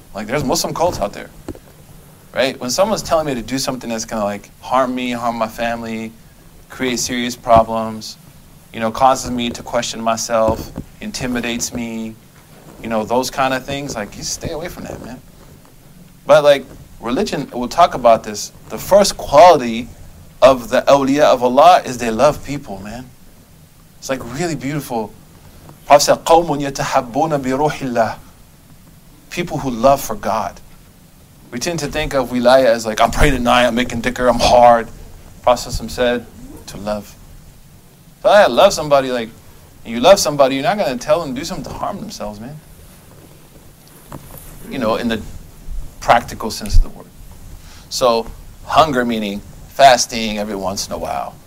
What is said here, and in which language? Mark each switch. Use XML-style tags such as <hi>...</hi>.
<en>Like, there's Muslim cults out there. Right? When someone's telling me to do something that's going to, like, harm me, harm my family, create serious problems, you know, causes me to question myself, intimidates me, you know, those kind of things, like, you stay away from that, man. But, like, religion, we'll talk about this. The first quality of the awliya of Allah is they love people, man. It's like really beautiful.</en> <ar>Prophet said, قَوْمٌ يَتَحَبُّونَ بِرُوحِ اللَّهِ.</ar> <en>People who love for God. We tend to think of wilaya as like, I'm praying at night, I'm making dhikr, I'm hard. Prophet said, to love. If I love somebody like you love somebody, you're not going to tell them to do something to harm themselves, man. You know, in the practical sense of the word. So hunger meaning fasting every once in a while.</en>